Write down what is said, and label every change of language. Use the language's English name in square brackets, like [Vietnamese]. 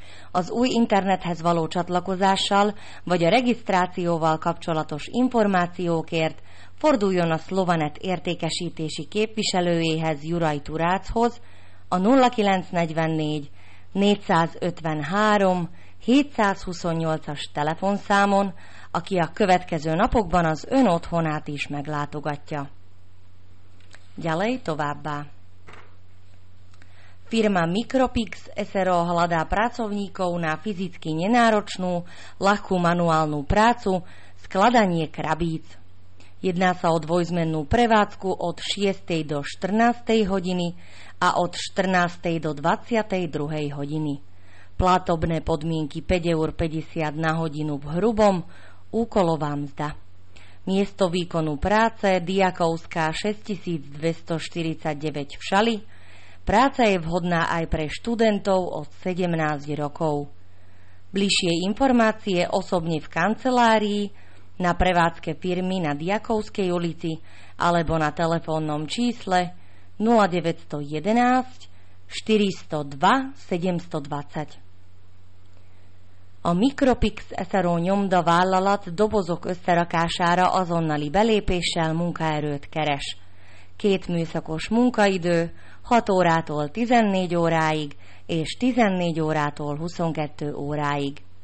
[Hungarian] Az új internethez való csatlakozással vagy a regisztrációval kapcsolatos információkért forduljon a Slovanet értékesítési képviselőjéhez Juraj Turáchoz a 0944 453 728-as telefonszámon, aki a következő napokban az ön otthonát is meglátogatja. Gyalej továbbá! [Slovak] Firma Micropix SRO hľadá pracovníkov na fyzicky nenáročnú, ľahkú manuálnu prácu, skladanie krabíc. Jedná sa o dvojzmennú prevádzku od 6. do 14. hodiny a od 14. do 22. hodiny. Platobné podmienky 5,50 eur na hodinu v hrubom, úkolová mzda. Miesto výkonu práce Diakovská 6249 v Šali. Práca je vhodná aj pre študentov od 17 rokov. Bližšie informácie osobne v kancelárii, na prevádzke firmy na Diakovskej ulici alebo na telefónnom čísle 0911 402 720. [Hungarian] A Micropix SRO nyomda vállalat dobozok összerakására azonnali belépéssel munkaerőt keres. Két műszakos munkaidő, 6 órától 14 óráig és 14 órától 22 óráig.